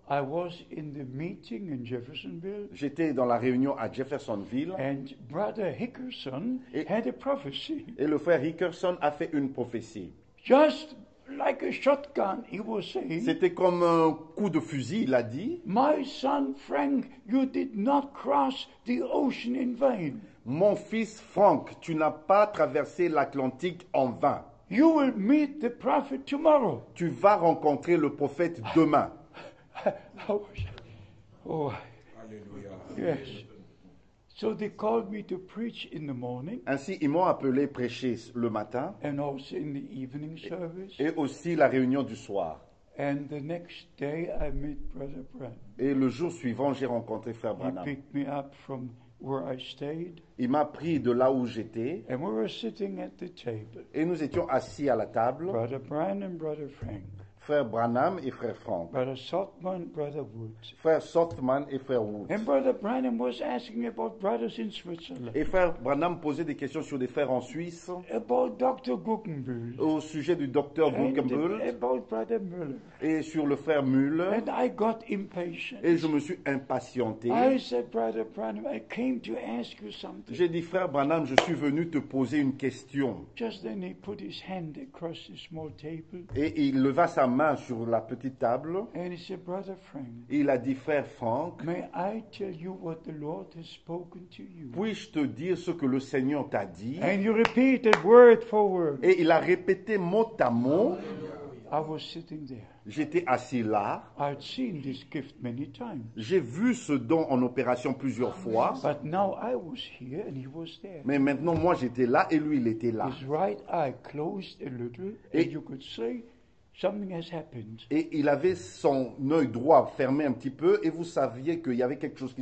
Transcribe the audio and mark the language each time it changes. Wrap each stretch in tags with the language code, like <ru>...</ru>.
<en>I was in the meeting in Jeffersonville,</en> <fr>j'étais dans la réunion à Jeffersonville.</fr> <en>And Brother Hickerson et, had a prophecy.</en> <fr>Et le frère Hickerson a fait une prophétie.</fr> <en>Just like a shotgun, he was saying.</en> <fr>C'était comme un coup de fusil, il a dit.</fr> <en>My son Frank, you did not cross the ocean in vain.</en> <fr>Mon fils Frank, tu n'as pas traversé l'Atlantique en vain.</fr> <en>You will meet the prophet tomorrow.</en> <fr>Tu vas rencontrer le prophète demain.</fr> <en>Oh. Yes. So they called me to preach in the morning.</en> <fr>Ainsi, ils m'ont appelé prêcher le matin.</fr> <en>And also in the evening service.</en> <fr>Et aussi la réunion du soir.</fr> <en>And the next day, I met Brother Branham.</en> <fr>Et le jour suivant, j'ai rencontré frère Branham.</fr> <en>He picked me up from where I stayed.</en> <fr>Il m'a pris de là où j'étais.</fr> <en>And we were sitting at the table.</en> <fr>Et nous étions assis à la table.</fr> <en>Brother Branham and Brother Frank.</en> <fr>Frère Branham et frère Frank.</fr> <en>Brother Sotman, Brother Woods.</en> <fr>Frère Sotman et frère Woods.</fr> <en>And Brother Branham was asking about brothers in Switzerland.</en> <fr>Et frère Branham posait des questions sur des frères en Suisse.</fr> <en>About Dr. Guggenbühl.</en> <fr>Au sujet du docteur Guggenbühl.</fr> <en>About Brother Müller.</en> <fr>Et sur le frère Müller.</fr> <en>And I got impatient.</en> <fr>Et je me suis impatienté.</fr> <en>I said, Brother Branham, I came to ask you something.</en> <fr>J'ai dit, frère Branham, je suis venu te poser une question.</fr> <en>Just then he put his hand across the small table.</en> <fr>Et il leva sa main sur la petite table.</fr> <en>And he said, Brother Frank,</en> <fr>il a dit, frère Frank,</fr> <en>may I tell you what the Lord has spoken to you?</en> <fr>Puis-je te dire ce que le Seigneur t'a dit?</fr> <en>And you repeated word for word.</en> <fr>Et il a répété mot à mot.</fr> <en>I was sitting there.</en> <fr>J'étais assis là.</fr> <en>I'd seen this gift many times.</en> <fr>J'ai vu ce don en opération plusieurs fois.</fr> <en>But now I was here and he was there.</en> <fr>Mais maintenant, moi, j'étais là et lui, il était là.</fr> <en>His right eye closed a little, et you could say, Something has happened.</en> <fr>Et il avait son œil droit fermé un petit peu, et vous saviez qu'il y avait quelque chose qui</fr>